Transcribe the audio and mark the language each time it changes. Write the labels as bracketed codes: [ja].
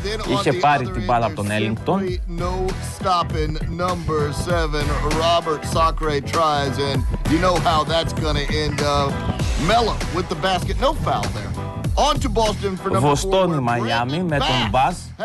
[el] Είχε πάρει την μπάλα από τον Ellington. [en] No stopping number 7, Robert Sacre tries, and you know how that's gonna end up. Mello with the basket, no foul there. [el] Βοστόνι Μαϊάμι με τον Μπας.